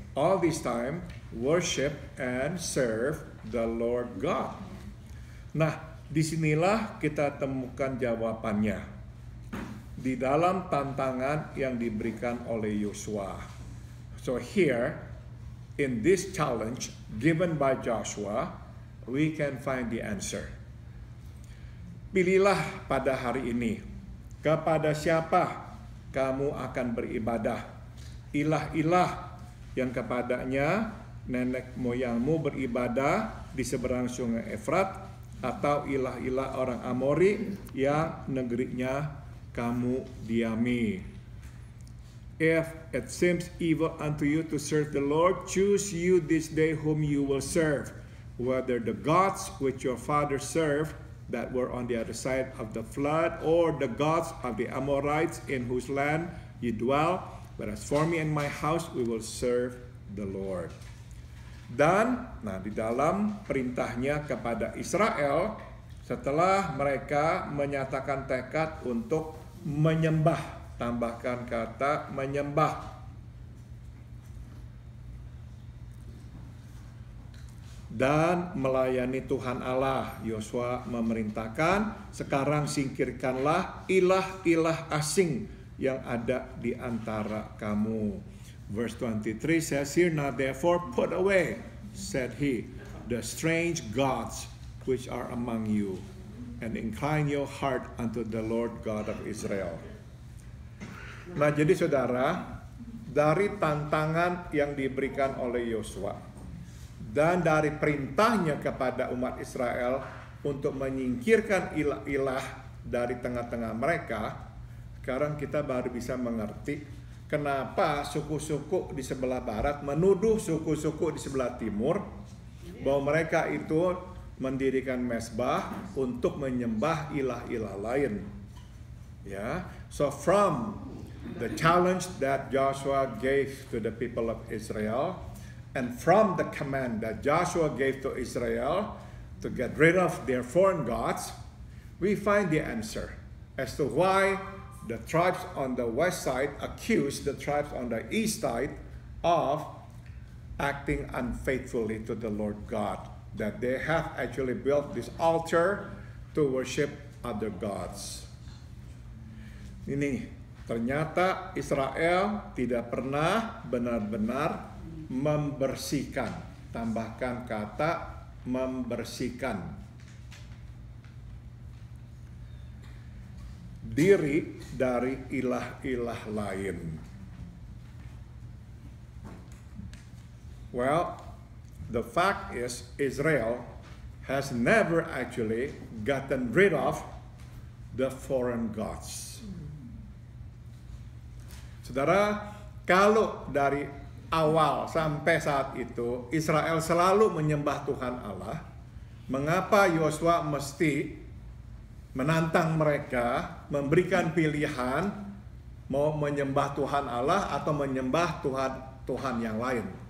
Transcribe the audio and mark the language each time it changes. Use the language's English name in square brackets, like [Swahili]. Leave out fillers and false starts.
[English] all this time worship and serve the Lord God. [Indonesian] Nah, disinilah kita temukan jawabannya di dalam tantangan yang diberikan oleh Yosua. [English] So here, in this challenge given by Joshua, we can find the answer. [Indonesian] Pilihlah pada hari ini, kepada siapa kamu akan beribadah, ilah-ilah yang kepadanya nenek moyangmu beribadah di seberang sungai Efrat, atau ilah-ilah orang Amori yang negerinya kamu diami. [English] If it seems evil unto you to serve the Lord, choose you this day whom you will serve, whether the gods which your father served that were on the other side of the flood, or the gods of the Amorites in whose land you dwell, but as for me and my house, we will serve the Lord. [Indonesian] Dan, nah, di dalam perintahnya kepada Israel, setelah mereka menyatakan tekad untuk menyembah, tambahkan kata menyembah. Dan melayani Tuhan Allah, Yosua memerintahkan, sekarang singkirkanlah ilah-ilah asing yang ada di antara kamu. [English] Verse 23 says here, now therefore put away, said he, the strange gods which are among you, and incline your heart unto the Lord God of Israel. [Indonesian] Nah, jadi saudara, dari tantangan yang diberikan oleh Yosua dan dari perintahnya kepada umat Israel untuk menyingkirkan ilah-ilah dari tengah-tengah mereka, sekarang kita baru bisa mengerti kenapa suku-suku di sebelah barat menuduh suku-suku di sebelah timur bahwa mereka itu mendirikan mesbah untuk menyembah ilah-ilah lain. [English] Ya, so from the challenge that Joshua gave to the people of Israel, and from the command that Joshua gave to Israel to get rid of their foreign gods, we find the answer as to why the tribes on the west side accused the tribes on the east side of acting unfaithfully to the Lord God, that they have actually built this altar to worship other gods. [Indonesian] Ini ternyata Israel tidak pernah benar-benar membersihkan, tambahkan kata membersihkan diri dari ilah-ilah lain. [English] Well, the fact is Israel has never actually gotten rid of the foreign gods. [Indonesian] Saudara, kalau dari awal sampai saat itu Israel selalu menyembah Tuhan Allah, mengapa Yosua mesti menantang mereka, memberikan pilihan mau menyembah Tuhan Allah atau menyembah Tuhan-Tuhan yang lain?